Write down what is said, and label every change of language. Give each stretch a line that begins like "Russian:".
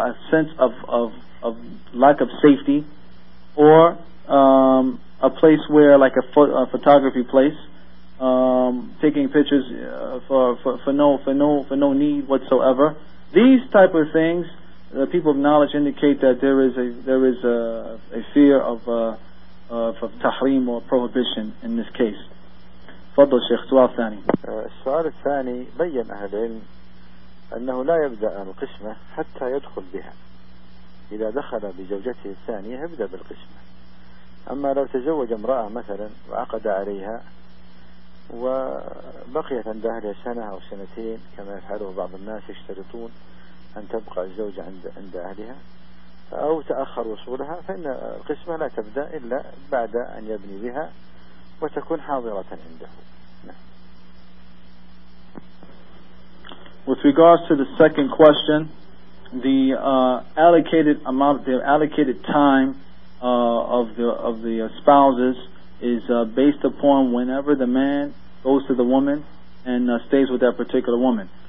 English: sense of lack of safety, or a place where, like a photography place, taking pictures for no need whatsoever. These type of things, the people of knowledge indicate that there is a fear of tahrim or prohibition in this case.
Arabic: فضل الشيخ سؤال ثاني. السؤال الثاني بين أهل العلم أنه لا يبدأ القسمة حتى يدخل بها. إذا دخل بزوجته الثانية يبدأ بالقسمة. أما لو تزوج امرأة مثلا وعقد عليها وبقيت عندها سنة أو سنتين كما يفعله بعض الناس يشترطون أن تبقى الزوجة عند أهلها أو تأخر وصولها فإن القسمة لا تبدأ إلا بعد أن يبني بها وتكون حاضرة عنده.
English: With regards to the second question, the allocated amount, the allocated time of the spouses is based upon whenever the man goes to the woman and stays with that particular woman.